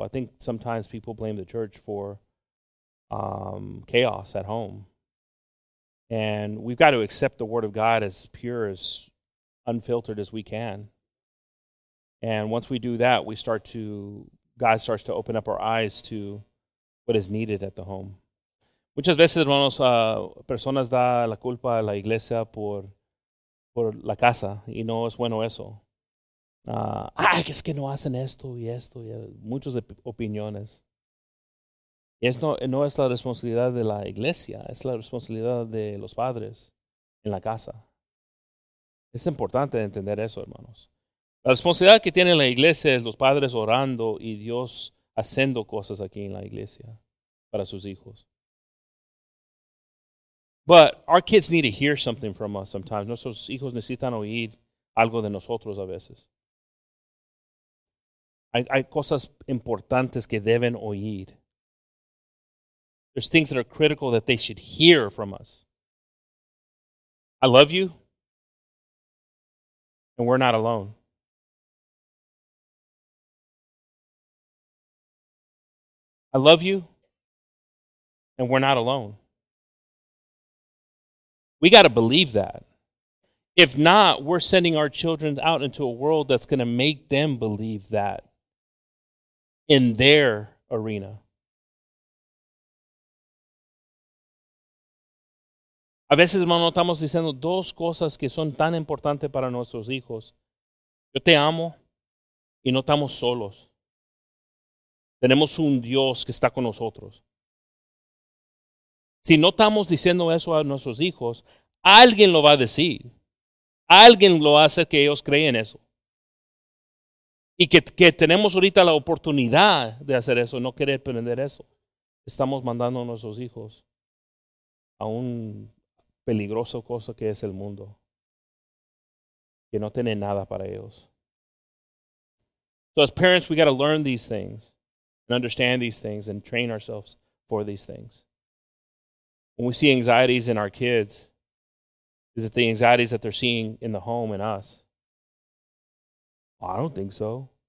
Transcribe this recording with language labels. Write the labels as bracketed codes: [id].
[en] I think sometimes people blame the church for chaos at home. And we've got to accept the word of God as pure, as unfiltered as we can. And once we do that, God starts to open up our eyes to what is needed at the home. [es] Muchas veces, hermanos, personas da la culpa a la iglesia por la casa, y no es bueno eso. Es que no hacen esto y esto, y muchas opiniones. Y esto no es la responsabilidad de la iglesia, es la responsabilidad de los padres en la casa. Es importante entender eso, hermanos. La responsabilidad que tiene la iglesia es los padres orando y Dios haciendo cosas aquí en la iglesia para sus hijos. [en] But our kids need to hear something from us sometimes. [es] Nuestros hijos necesitan oír algo de nosotros a veces. Hay cosas importantes que deben oír. [en] There's things that are critical that they should hear from us. I love you, and we're not alone. I love you, and we're not alone. We got to believe that. If not, we're sending our children out into a world that's going to make them believe that in their arena. [es] A veces, hermano, estamos diciendo dos cosas que son tan importantes para nuestros hijos. Yo te amo y no estamos solos. Tenemos un Dios que está con nosotros. Si no estamos diciendo eso a nuestros hijos, alguien lo va a decir. Alguien lo hace que ellos creen eso. Y que tenemos ahorita la oportunidad de hacer eso, no querer aprender eso. Estamos mandando a nuestros hijos a un peligroso cosa que es el mundo. Que no tiene nada para ellos. [en] So as parents, we got to learn these things and understand these things and train ourselves for these things. When we see anxieties in our kids, is it the anxieties that they're seeing in the home in us? Well, I don't think so.